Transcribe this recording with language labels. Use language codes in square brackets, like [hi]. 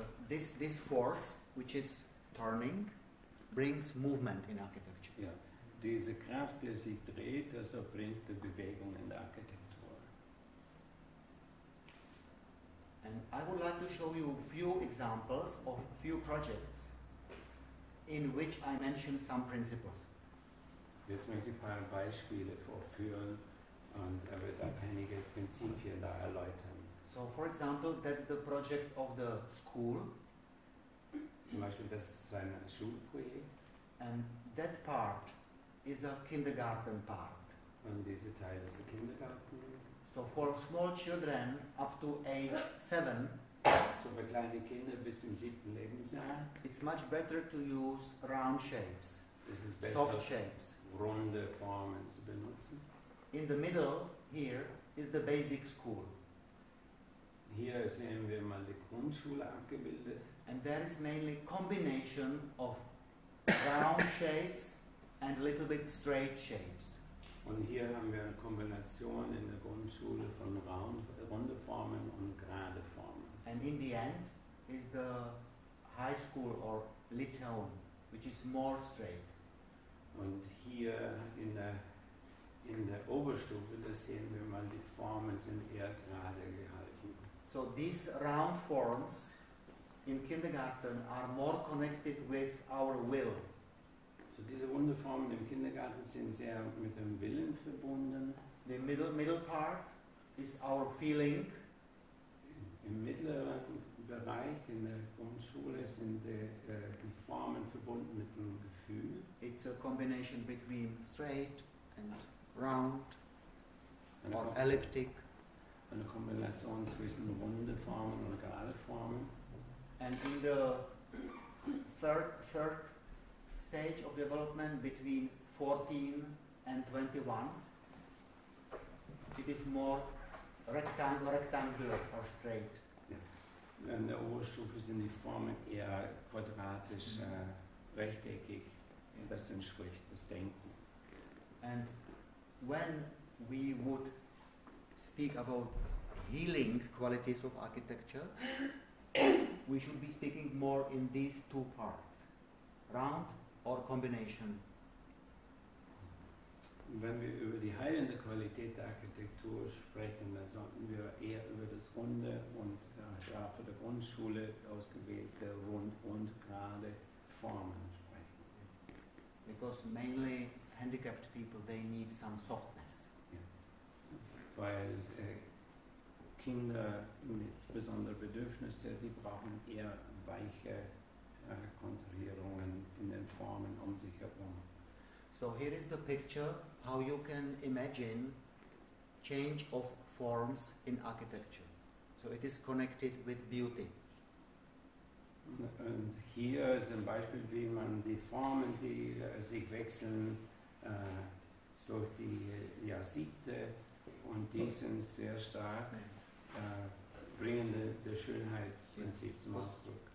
[en] Yes, that this force which is turning brings movement in architecture. Yeah. [de] Diese Kraft, die sich dreht, also bringt die Bewegung in der Architektur. [en] And I would like to show you a few examples of few projects. in which I mention some principles. [de] Jetzt möchte ich ein paar Beispiele vorführen und er wird einige Prinzipien da erläutern. [en] So, for example, that's the project of the school. [de] Zum Beispiel, das ist ein Schulprojekt. [en] And that part is a kindergarten part. [de] Und dieser Teil ist der Kindergarten. [en] So, for small children up to age 7, [de] so für kleine Kinder bis zum siebten Lebensjahr, [en] it's much better to use round shapes, this is best soft shapes. [de] Runde Formen zu benutzen. [en] In the middle here is the basic school. [de] Hier sehen wir mal die Grundschule abgebildet. [en] And there is mainly combination of round shapes and a little bit straight shapes. [de] Und hier haben wir eine Kombination in der Grundschule von runde Formen und gerade Formen. [en] And in the end is the high school or Lyceum, which is more straight. [de] Und hier in der Oberstufe, da sehen wir mal, die Formen sind eher gerade gehalten. [en] So these round forms in kindergarten are more connected with our will. [de] So diese runde Formen im Kindergarten sind sehr mit dem Willen verbunden. [en] The middle part is our feeling. [de] Im mittleren Bereich in der Grundschule sind die Formen verbunden mit dem Gefühl. [en] It's a combination between straight and round or elliptic. [de] Eine Kombination zwischen runde Formen und gerade Formen. [en] And in the third stage of development between 14 and 21, it is more rectangular or straight. [de] Ja. In der Oberstufe sind die Formen eher quadratisch, rechteckig. Ja. Das entspricht das Denken. [en] And when we would speak about healing qualities of architecture, we should be speaking more in these two parts, round or combination. [de] Wenn wir über die heilende Qualität der Architektur sprechen, dann sollten wir eher über das Runde und da für die Grundschule ausgewählte rund und gerade Formen sprechen. [en] Because mainly handicapped people, they need some softness. Yeah. [de] Weil Kinder mit besonderen Bedürfnissen, die brauchen eher weiche Kontrahierungen in den Formen um sich herum. [en] So here is the picture, how you can imagine change of forms in architecture. So it is connected with beauty. [de] Und hier ist ein Beispiel, wie man die Formen, die sich wechseln, durch die Jahrzehnte, und die sind sehr stark, bringen das Schönheitsprinzip zum Ausdruck.